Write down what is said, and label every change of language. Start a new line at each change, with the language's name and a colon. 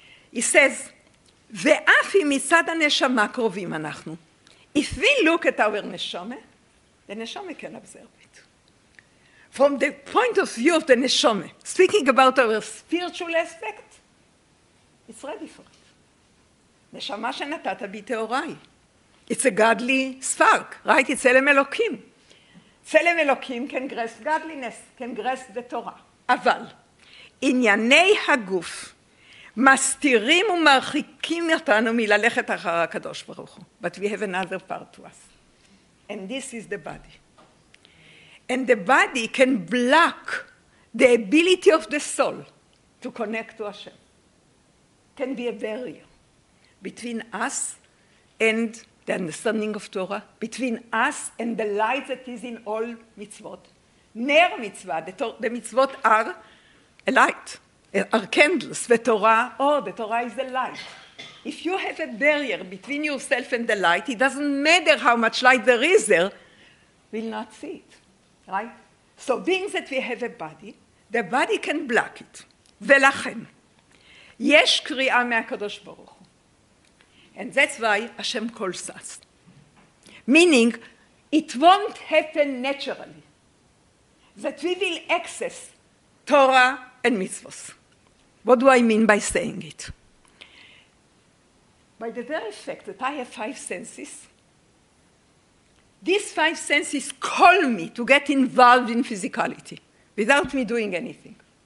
English: He says,
Hebrew: ואף אם מצד הנשמה קרובים אנחנו,
English: if we look at our neshome, the neshome can observe it. From the point of view of the neshome, speaking about our spiritual aspect, it's ready for it. Neshama
Hebrew: שנתת בי תאוריי.
English: It's a godly spark, right? It's צלם אלוקים. צלם אלוקים can grasp godliness, can grasp the Torah.
Hebrew: אבל ענייני הגוף מסתירים ומרחיקים אותנו מללכת אחר הקדוש ברוך הוא.
English: But we have another part to us. And this is the body. And the body can block the ability of the soul to connect to Hashem. Can be a barrier between us and the understanding of Torah, between us and the light that is in all mitzvot. Ner mitzvah, the mitzvot are a light. Our candles, the Torah, oh, the Torah is the light. If you have a barrier between yourself and the light, it doesn't matter how much light there is there, we'll not see it, right? So being that we have a body, the body can block it.
Hebrew: ולכן, יש קריאה מהקדוש ברוך הוא.
English: And that's why Hashem calls us. Meaning, it won't happen naturally that we will access Torah and mitzvot. What do I mean by saying it? By the very fact that I have five senses, these five senses call me to get involved in physicality without me doing anything.